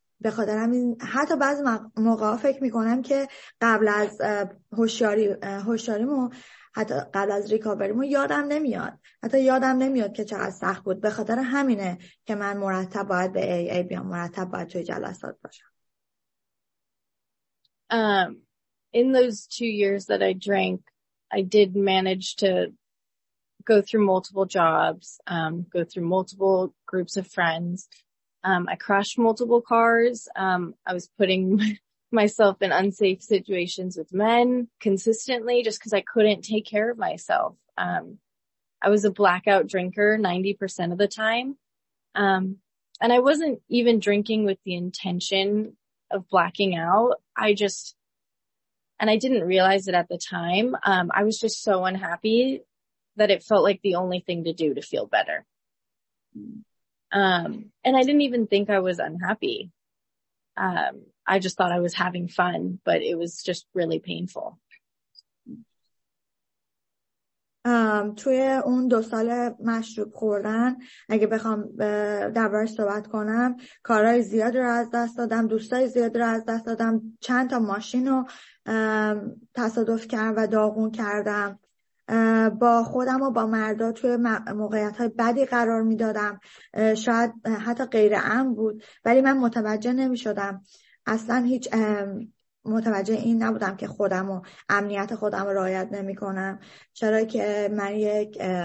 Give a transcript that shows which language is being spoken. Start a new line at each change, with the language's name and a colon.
Persian: به خاطر همین حتی بعضی موقعا فکر می کنم که قبل از هوشیاریمو حتی قبل از ریکاوریمو یادم نمیاد، حتی یادم نمیاد که چقدر سخت بود. به خاطر همینه که من مرتب باید به AA بیام، مرتب باید توی جلسات باشم.
English: In those 2 years that I drank, I did manage to go through multiple jobs, go through multiple groups of friends. I crashed multiple cars. I was putting myself in unsafe situations with men consistently just because I couldn't take care of myself. I was a blackout drinker 90% of the time. And I wasn't even drinking with the intention of blacking out. I didn't realize it at the time. I was just so unhappy that it felt like the only thing to do to feel better. And I didn't even think I was unhappy. I just thought I was having fun, but it was just really painful.
Persian: توی اون 2 سال مشروب خوردن، اگه بخوام دربارش صحبت کنم، کارهای زیاد رو از دست دادم، دوستای زیاد رو از دست دادم، چند تا ماشین رو تصادف کردم و داغون کردم، با خودم و با مردا توی موقعیت های بدی قرار می دادم، شاید حتی غیر عمد بود، ولی من متوجه نمی شدم، اصلا هیچ متوجه این نبودم که خودم و امنیت خودم رو رعایت نمی کنم، چرا که من یک